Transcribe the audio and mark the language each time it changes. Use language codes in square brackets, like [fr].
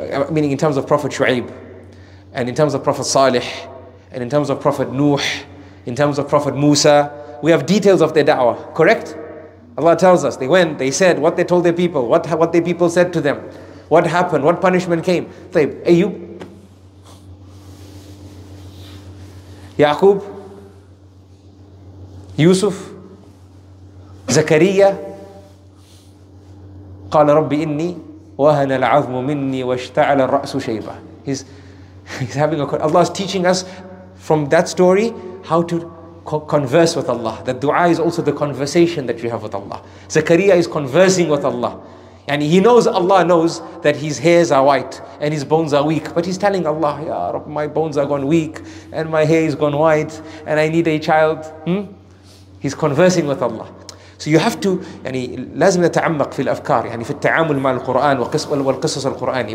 [en] Meaning in terms of Prophet Shu'aib and in terms of Prophet Salih and in terms of Prophet Nuh, in terms of Prophet Musa, we have details of their da'wah, correct? Allah tells us, they went, they said, what they told their people, what their people said to them, what happened, what punishment came. [ar] Tayyib, Ayyub, Yaqub, Yusuf, Zakariya, قال ربي إني وهن العظم مني واشتعل الرأس شيبة. [en] He's having a, Allah is teaching us from that story how to converse with Allah. That dua is also the conversation that you have with Allah. Zakariya is conversing with Allah. And he knows, Allah knows that his hairs are white and his bones are weak. But he's telling Allah, Ya Rabbi, my bones are gone weak and my hair is gone white and I need a child. He's conversing with Allah. So you have to, [ar] يعني لازم نتعمق في الأفكار يعني في التعامل مع القرآن والقصص القرآني.